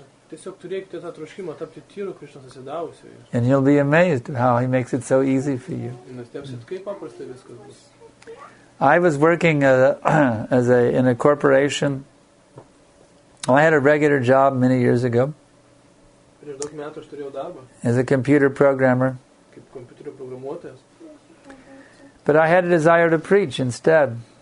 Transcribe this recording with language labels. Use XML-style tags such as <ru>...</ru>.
<lt>Tiesiog turėkite tą troškimą tapti tyru Krishna susidavusiu.</lt> <en>And you'll be amazed at how he makes it so easy for you.</en> <lt>Nustebsit, kaip paprasta viskas bus.</lt> <en>I was working in a corporation. Well, I had a regular job many years ago.</en> <lt>Prieš daug metų aš turėjau darbą.</lt> <en>As a computer programmer.</en> <lt>Kaip kompiuterio programuotojas.</lt> <en>But I had a desire to preach instead.</en>